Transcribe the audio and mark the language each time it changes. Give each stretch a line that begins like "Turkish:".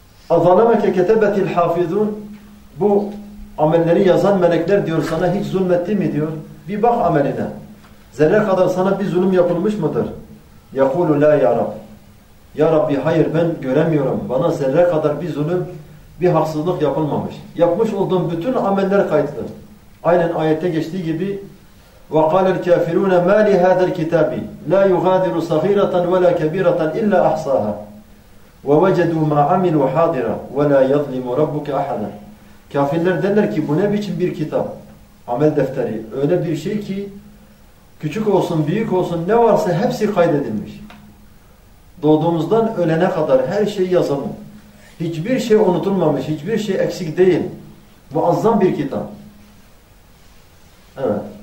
Arabic: اَظَلَمَكَ كَتَبَتِ الْحَافِذُونَ
Turkish: Bu amelleri yazan melekler diyor sana hiç zulmetti mi diyor. Bir bak ameline. Zerre kadar sana bir zulüm yapılmış mıdır?
Arabic: يَقُولُ لَا يَا رَبْ
Turkish: Ya Rabbi hayır ben göremiyorum. Bana zerre kadar bir zulüm, bir haksızlık yapılmamış. Yapmış olduğum bütün ameller kayıtlı. Aynen ayette geçtiği gibi
Arabic: وَقَالَ الْكَافِرُونَ مَا لِهَذَا الْكِتَابِ لَا يُغَادِرُ صَغِيرَةً وَلَا كَبِيرَةً إِلَّا أَحْصَاهَا وَوَجَدُوا مَا عَمِلُوا حَاضِرًا وَلَا يَظْلِمُ رَبُّكَ أَحَدًا
Turkish: Kafirler derler ki bu ne biçim bir kitap, amel defteri. Öyle bir şey ki küçük olsun, büyük olsun ne varsa hepsi kaydedilmiş. Doğduğumuzdan ölene kadar her şey yazılı. Hiçbir şey unutulmamış, hiçbir şey eksik değil. Muazzam bir kitap. Evet.